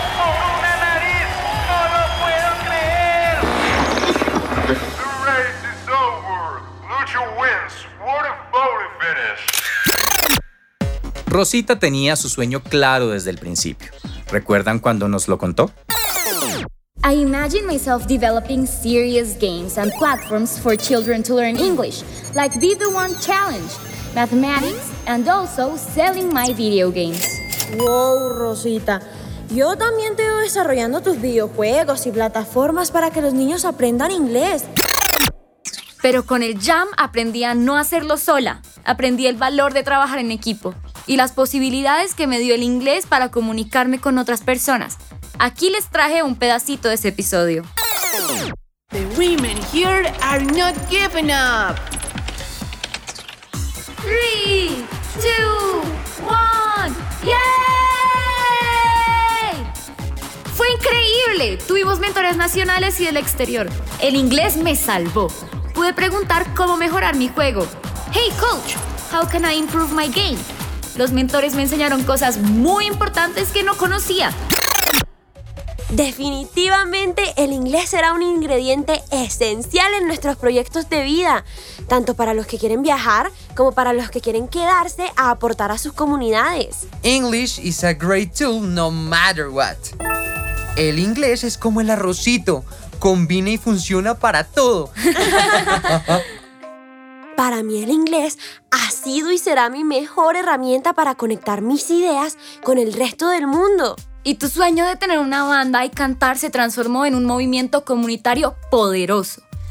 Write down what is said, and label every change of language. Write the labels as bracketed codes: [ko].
[es] ¡Por una nariz! ¡No lo puedo creer! [en] The race is over. Lucho wins. What a bonus finish. [es] Rosita tenía su sueño claro desde el principio. ¿Recuerdan cuando nos lo contó? [en] I imagine myself developing serious games and platforms for children to learn English, like Be The One Challenge, mathematics, and also selling my video games. Wow, Rosita. [es] Yo también te veo desarrollando tus videojuegos y plataformas para que los niños aprendan inglés. Pero con el Jam aprendí a no hacerlo sola. Aprendí el valor de trabajar en equipo y las posibilidades que me dio el inglés para comunicarme con otras personas. Aquí les traje un pedacito de ese episodio. [en] The women here are not giving up. 3, 2, 1, ¡yay! [es] ¡Fue increíble! Tuvimos mentores nacionales y del exterior. El inglés me salvó. Pude preguntar cómo mejorar mi juego. [en] Hey, coach, how can I improve my game? [es] Los mentores me enseñaron cosas muy importantes que no conocía. Definitivamente el inglés será un ingrediente esencial en nuestros proyectos de vida, tanto para los que quieren viajar como para los que quieren quedarse a aportar a sus comunidades. [en] English is a great tool no matter what. [es] El inglés es como el arrocito, combina y funciona para todo. Para mí el inglés ha sido y será mi mejor herramienta para conectar mis ideas con el resto del mundo. Y tu sueño de tener una banda y cantar se transformó en un movimiento comunitario poderoso.